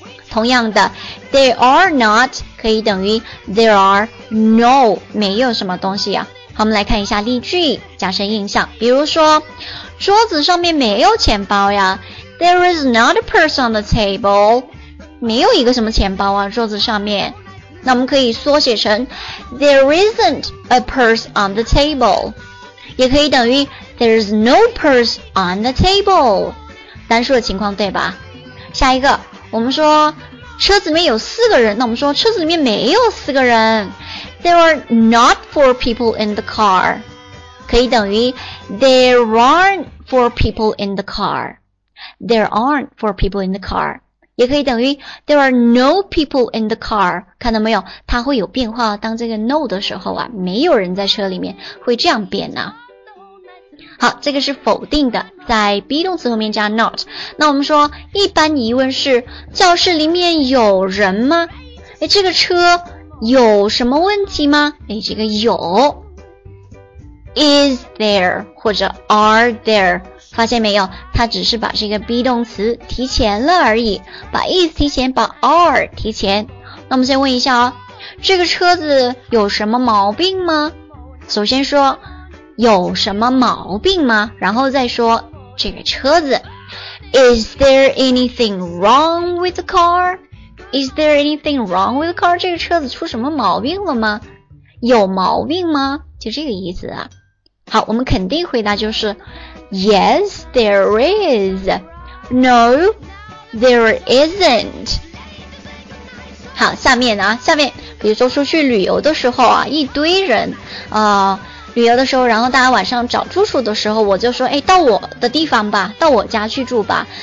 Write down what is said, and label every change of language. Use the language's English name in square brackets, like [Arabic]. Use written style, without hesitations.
[Chinese] 同样的 there are not 可以等于 there are no， 没有什么东西啊。好，我们来看一下例句，加深印象。比如说桌子上面没有钱包呀， [English] There is not a purse on the table， [Chinese] 没有一个什么钱包啊桌子上面。那我们可以缩写成 [English] There isn't a purse on the table， [Chinese] 也可以等于 [English] There's no purse on the table， [Chinese] 单数的情况，对吧？下一个，我们说车子里面有四个人，那我们说车子里面没有四个人， [English] There are not four people in the car， [Chinese] 可以等于 [English] There aren't four people in the car， There aren't four people in the car。 [Chinese] 也可以等于 [English] There are no people in the car， [Chinese] 看到没有，它会有变化，当这个 no 的时候啊，没有人在车里面，会这样变呢。好，这个是否定的，在 be 动词后面加 not。那我们说一般疑问是教室里面有人吗？诶，这个车有什么问题吗？诶，这个有 is there 或者 are there， 发现没有，它只是把这个 be 动词提前了而已，把 is 提前，把 are 提前。那我们先问一下哦，这个车子有什么毛病吗？首先说有什么毛病吗？然后再说这个车子。 [English] Is there anything wrong with the car? Is there anything wrong with the car? [Chinese] 这个车子出什么毛病了吗？有毛病吗？就这个意思啊。好，我们肯定回答就是 [English] Yes, there is. No, there isn't. [Chinese] 好，下面啊，下面比如说出去旅游的时候啊，一堆人旅游的时候，然后大家晚上找住处的时候，我就说诶，到我的地方吧，到我家去住吧。